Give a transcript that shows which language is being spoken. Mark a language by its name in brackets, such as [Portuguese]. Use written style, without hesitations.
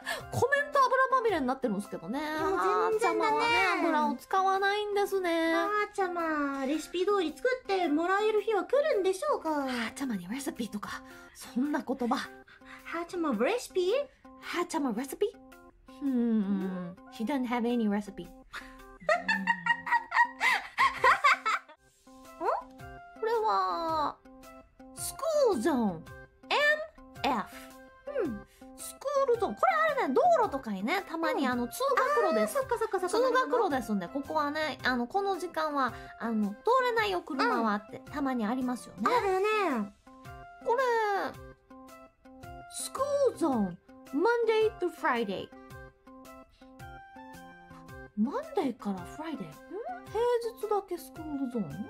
[Japanese] コメント油まみれになってるんですけどね。はーちゃまはね、油を使わないんですね。はーちゃま、レシピ通り作ってもらえる日は来るんでしょうか。はーちゃまにレシピとか、そんな言葉。はーちゃま、レシピ？はーちゃま、レシピ？ [English] She doesn't have any recipe. [Japanese] ん？これは、school zone. MF. school zone. これあれね、道路とかにね、たまにあの通学路です。通学路ですんで、ここはね、あの、この時間は、あの、通れないよ、車はって、たまにありますよね。あるね。これ、school zone. [English] Monday to Friday. [Japanese] マンデーからフライデー？ん？平日だけスクールゾーン？